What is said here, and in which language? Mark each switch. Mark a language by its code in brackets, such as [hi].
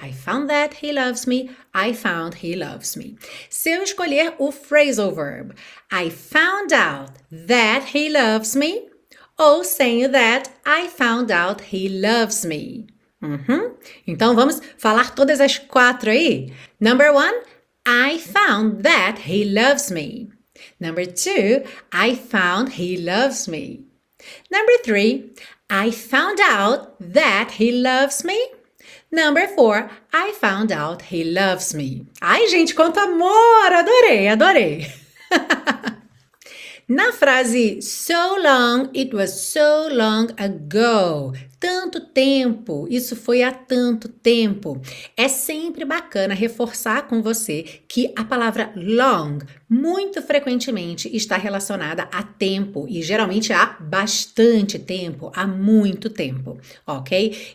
[en] I found that he loves me, I found he loves me. [pt] Se eu escolher o phrasal verb, [en] I found out that he loves me, [pt] ou sem o that, [en] I found out he loves me. [pt] Então vamos falar todas as quatro aí. [en] Number one, I found that he loves me. Number two, I found he loves me. Number three, I found out that he loves me. Number four, I found out he loves me. [pt] Ai, gente, quanto amor! Adorei, adorei! Na frase [en] So long, it was so long ago. [pt] Tanto tempo, isso foi há tanto tempo. É sempre bacana reforçar com você que a palavra long muito frequentemente está relacionada a tempo e geralmente há bastante tempo, há muito tempo, ok?